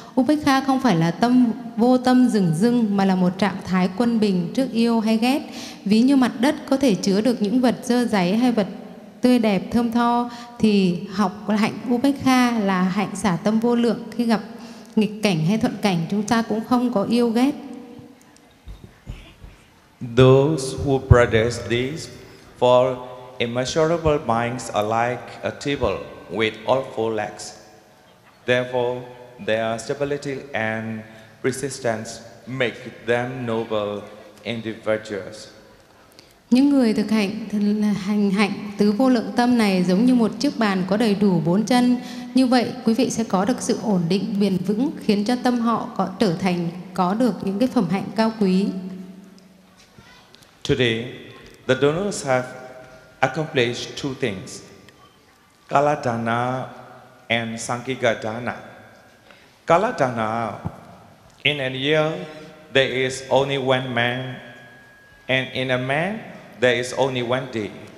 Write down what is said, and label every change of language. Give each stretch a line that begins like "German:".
Vietnamese: Upekkha không phải là tâm vô tâm dửng dưng, mà là một trạng thái quân bình trước yêu hay ghét. Ví như mặt đất có thể chứa được những vật dơ dáy hay vật tươi đẹp thơm tho, thì học hạnh Upekkha là hạnh xả tâm vô lượng. Khi gặp nghịch cảnh hay thuận cảnh, chúng ta cũng không có yêu ghét.
English: Those who practice this, for immeasurable minds are like a table with all four legs. Therefore, their stability and resistance make them noble individuals.
Vietnamese: Những người thực hành hạnh tứ vô lượng tâm này giống như một chiếc bàn có đầy đủ bốn chân. Như vậy, quý vị sẽ có được sự ổn định bền vững, khiến cho tâm họ có được những cái phẩm hạnh cao quý.
English: Today, the donors have accomplished two things: Kala Dana and Sankhika Dana. Kala Dana, in a year there is only one man, and in a man there is only one day.